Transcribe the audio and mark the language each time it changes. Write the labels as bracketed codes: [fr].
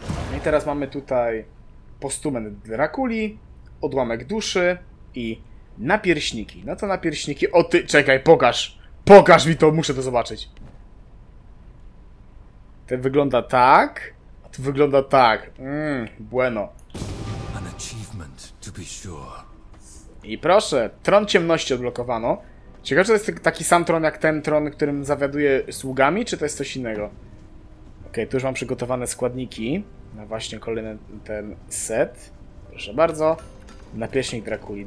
[pl] No i teraz mamy tutaj... Postumen Drakuli, odłamek duszy i napierśniki. No to napierśniki... O ty, czekaj, pokaż! Pokaż mi to, muszę to zobaczyć! Ten wygląda tak, a to wygląda tak. [es] Bueno. [en] An achievement, to be sure. [pl] I proszę, tron ciemności odblokowano. Ciekawe, czy to jest taki sam tron jak ten tron, którym zawiaduje sługami, czy to jest coś innego? Okej, tu już mam przygotowane składniki. Na właśnie kolejny ten set. Proszę bardzo. Napierśnik Drakuli.